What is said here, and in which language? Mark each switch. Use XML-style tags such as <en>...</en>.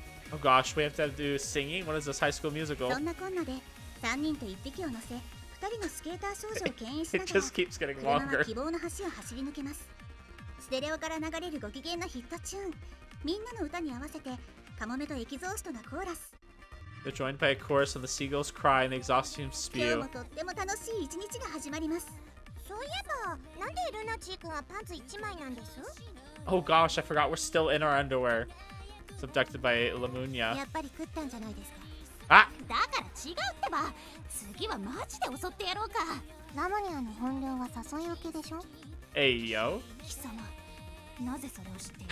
<en>Oh gosh, we have to do singing? What is this, High School Musical?</en> <ja>そんなこんなで、三人と一匹を乗せ、二人のスケーター少女を牽引しなが</ja> <en>ら、It just keeps getting longer.</en> <ja>車は希望の橋を走り抜けます。ステレオから流れるご機嫌なヒットチューン、みんなの歌に合わせて、カモメとエキゾーストがコーラス。</ja> <en>They're joined by a chorus and the seagulls cry and the exhaust fumes spew.</en> <ja>今日もとっても楽しい一日が始まります。そういえば、なんでルナチー君はパンツ一枚なんです?</ja> <en>Oh gosh, I forgot we're still in our underwear. Subducted by Lamunia.</en> <ja>やっぱり食ったんじゃないですか? Ah! だから違うってば! 次はマジで襲ってやろうか! ラムニアの本領は誘い受けでしょ?</ja> <en>Hey, yo!</en> <ja>貴様、なぜそれを知って?</ja>